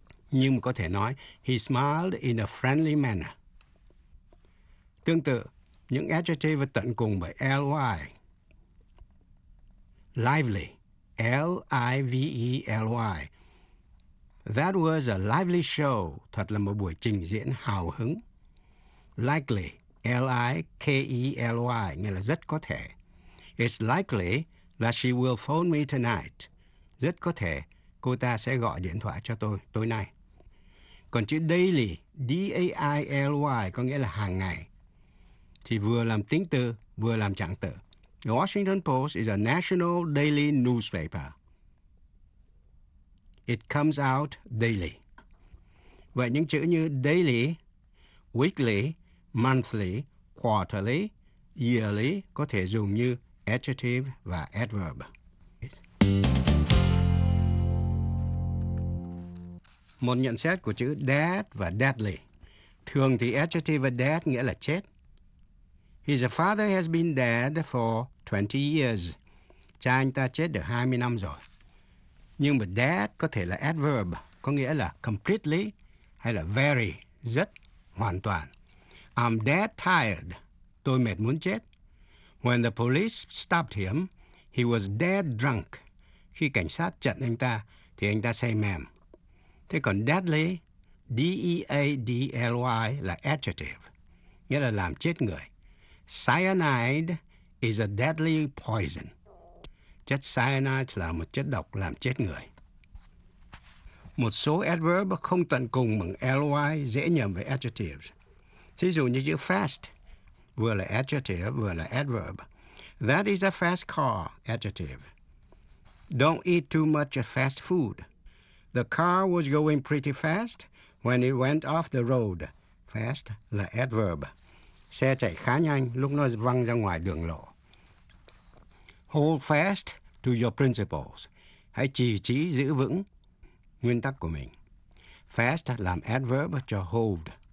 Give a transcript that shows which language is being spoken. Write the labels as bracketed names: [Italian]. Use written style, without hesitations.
[Vietnamese] Nhưng có thể nói, [English] he smiled in a friendly manner. [Vietnamese] Tương tự, những adjective tận cùng bởi ly. [English] Lively, L-I-V-E-L-Y. That was a lively show, [Vietnamese] thật là một buổi trình diễn hào hứng. Likely, L-I-K-E-L-Y, nghĩa là rất có thể. [English] It's likely that she will phone me tonight. [Vietnamese] Rất có thể cô ta sẽ gọi điện thoại cho tôi tối nay. Còn chữ daily, D-A-I-L-Y, có nghĩa là hàng ngày, thì vừa làm tính từ, vừa làm trạng từ. [English] The Washington Post is a national daily newspaper. It comes out daily. [Vietnamese] Vậy những chữ như daily, weekly, monthly, quarterly, yearly có thể dùng như adjective và adverb. Một nhận xét của chữ dead và deadly. Thường thì adjective và dead nghĩa là chết. [English] His father has been dead for 20 years. [Vietnamese] Cha anh ta chết được 20 năm rồi. Nhưng mà dead có thể là adverb, có nghĩa là completely hay là very, rất, hoàn toàn. [English] I'm dead tired. [Vietnamese] Tôi mệt muốn chết. [English] When the police stopped him, he was dead drunk. [Vietnamese] Khi cảnh sát chặn anh ta, thì anh ta say mềm. Thế còn deadly, D-E-A-D-L-Y là adjective, nghĩa là làm chết người. [English] Cyanide is a deadly poison. [Vietnamese] Chất cyanide là một chất độc làm chết người. Một số adverb không tận cùng bằng ly dễ nhầm với adjectives. Thí dụ như chữ fast, vừa là adjective, vừa là adverb. [English] That is a fast car, adjective. Don't eat too much fast food. The car was going pretty fast when it went off the road. [Vietnamese] Fast là adverb. Xe chạy khá nhanh lúc nó văng ra ngoài đường lộ. [English] Hold fast to your principles. [Vietnamese] Hãy chỉ trí giữ vững nguyên tắc của mình. Fast làm adverb cho hold.